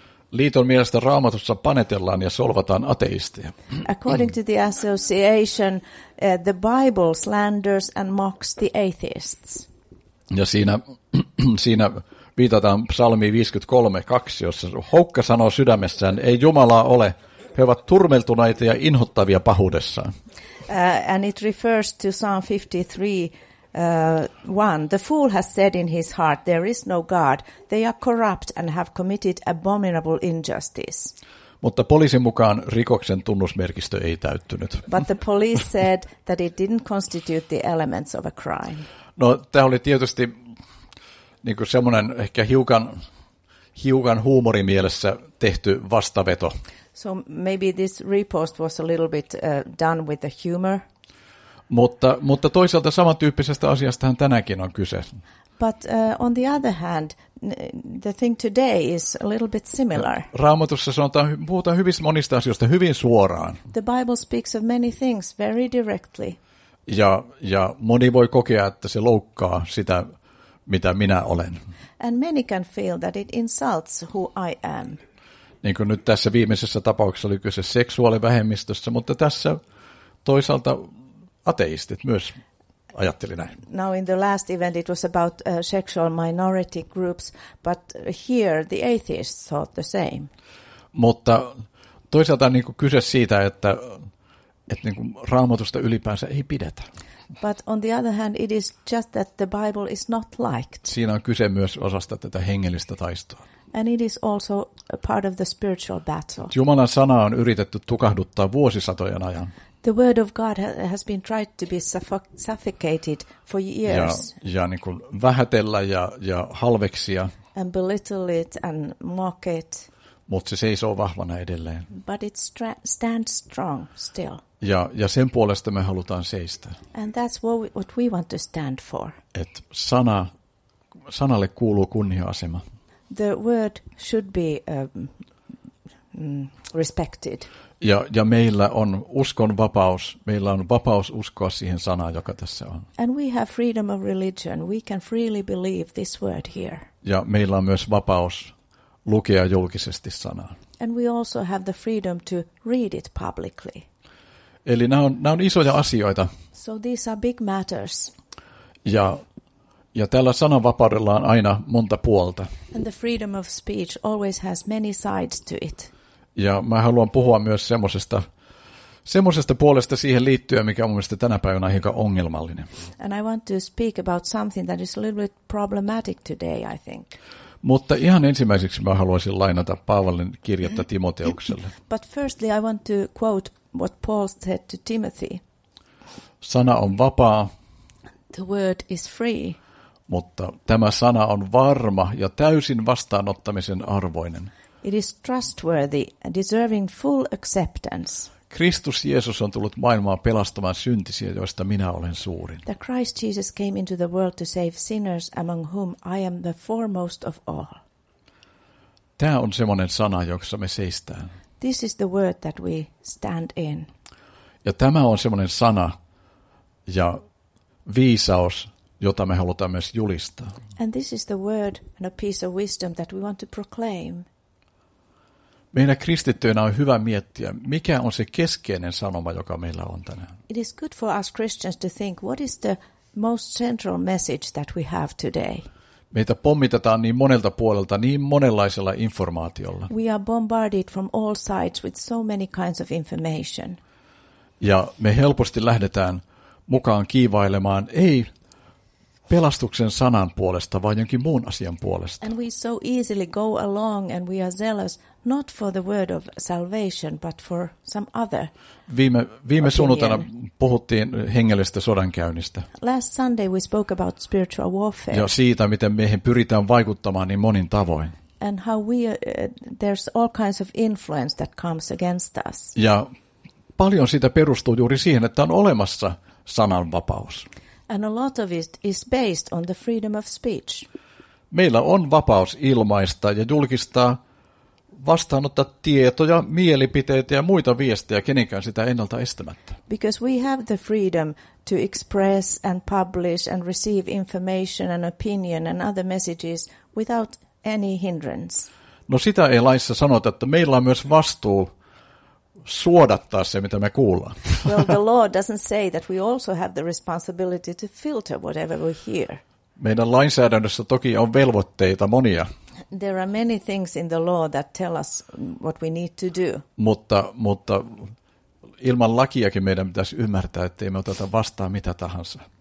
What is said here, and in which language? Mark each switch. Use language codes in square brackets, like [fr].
[fi] Liiton mielestä Raamatussa panetellaan ja solvataan ateisteja. [en] According to the association, the Bible slanders and mocks the atheists. [fi] Ja siinä viitataan psalmi 53:2, jossa houkka sanoo sydämessään, ei Jumalaa ole, he ovat turmeltuneita ja inhottavia pahuudessaan. [en] And it refers to Psalm 53:1, the fool has said in his heart, there is no God, they are corrupt and have committed abominable injustice. [fi] Mutta poliisin mukaan rikoksen tunnusmerkistö ei täyttynyt. [en] But the police said that it didn't constitute the elements of a crime. [fi] No, tämä oli tietysti niin kuin semmoinen ehkä hiukan huumorimielessä tehty vastaveto. [en] So maybe this repost was a little bit done with the humor. [fi] Mutta toisaalta samantyyppisestä asiastahan tänäänkin on kyse. [en] But on the other hand, the thing today is a little bit similar. [fi] Raamatussa puhutaan hyvin monista asioista hyvin suoraan. [en] The Bible speaks of many things very directly. [fi] Ja moni voi kokea, että se loukkaa sitä, mitä minä olen. [en] And many can feel that it insults who I am. [fi] Niin kuin nyt tässä viimeisessä tapauksessa oli kyse seksuaalivähemmistössä, mutta tässä toisaalta ateistit myös ajatteli näin. [en] Now in the last event it was about sexual minority groups, but here the atheists thought the same. [fi] Mutta toisaalta niin kuin kyse siitä, että niin kuin Raamatusta ylipäänsä ei pidetä. [en] But on the other hand it is just that the Bible is not liked. [fi] Siinä on kyse myös osasta tätä hengellistä taistoa. [en] And it is also a part of the spiritual battle. [fi] Jumalan sana on yritetty tukahduttaa vuosisatojen ajan. [en] The word of God has been tried to be suffocated for years. [fi] Ja niin kuin vähätellä ja halveksia. [en] And belittle it and mock it. [fi] Mutta se seisoo vahvana edelleen. [en] But it stands strong still. [fi] Ja sen puolesta me halutaan seistä. [en] And that's what we want to stand for. [fi] Et sanalle kuuluu kunnia-asema. [en] The word should be respected. [fi] Ja meillä on uskon vapaus. Meillä on vapaus uskoa siihen sanaan, joka tässä on. [en] And we have freedom of religion. We can freely believe this word here. [fi] Ja meillä on myös vapaus lukea julkisesti sanaa. [en] And we also have the freedom to read it publicly. [fi] Eli nämä on isoja asioita. [en] So these are big matters. [fi] Ja tällä sananvapaudella on aina monta puolta. [en] And the freedom of speech always has many sides to it. [fi] Ja mä haluan puhua myös semmoisesta puolesta siihen liittyen, mikä mun mielestä tänä päivänä on aika ongelmallinen. [en] And I want to speak about something that is a little bit problematic today, I think. [fi] Mutta ihan ensimmäiseksi mä haluaisin lainata Paavalin kirjettä Timoteukselle. [en] But firstly I want to quote what Paul said to Timothy. [fi] Sana on vapaa. [en] The word is free. [fi] Mutta tämä sana on varma ja täysin vastaanottamisen arvoinen. [en] It is trustworthy and deserving full acceptance. [fi] Kristus Jeesus on tullut maailmaan pelastamaan syntisiä, joista minä olen suurin. [en] The Christ Jesus came into the world to save sinners among whom I am the foremost of all. [fi] Tämä on semmoinen sana, jossa me seistään. [en] This is the word that we stand in. [fi] Ja tämä on semmoinen sana ja viisaus, jota me halutaan myös julistaa. [en] And this is the word and a piece of wisdom that we want to proclaim. [fi] Meidän kristittyinä on hyvä miettiä, mikä on se keskeinen sanoma, joka meillä on tänään. [en] It is good for us Christians to think, what is the most central message that we have today? [fi] Meitä pommitetaan niin monelta puolelta, niin monenlaisella informaatiolla. [en] We are bombarded from all sides with so many kinds of information. [fi] Ja me helposti lähdetään mukaan kiivailemaan, ei pelastuksen sanan puolesta, vaan jonkin muun asian puolesta. [en] And we so easily go along and we are zealous not for the word of salvation, but for some other. [fi] Viime sunnuntaina puhuttiin hengellisestä sodankäynnistä. [en] Last Sunday we spoke about spiritual warfare. [fi] Ja siitä, miten meihin pyritään vaikuttamaan niin monin tavoin. [en] And how we there's all kinds of influence that comes against us. [fi] Ja paljon siitä perustuu juuri siihen, että on olemassa sananvapaus. [en] And a lot of it is based on the freedom of speech. [fi] Meillä on vapaus ilmaista ja julkistaa, vastaanottaa tietoja, mielipiteitä ja muita viestejä kenenkään sitä ennalta estämättä. [en] Because we have the freedom to express and publish and receive information and opinion and other messages without any hindrance. [fi] No sitä ei laissa sanota, että meillä on myös vastuu suodattaa se, mitä me kuullaan. [en] Well, the law doesn't say that we also have the responsibility to filter whatever we hear. [fi] Meidän lainsäädännössä toki on velvoitteita monia. [en] There are many things in the law that tell us what we need to do. [fi] Mutta ilman lakiakin meidän pitäisi ymmärtää, että emme oteta vastaan mitä tahansa.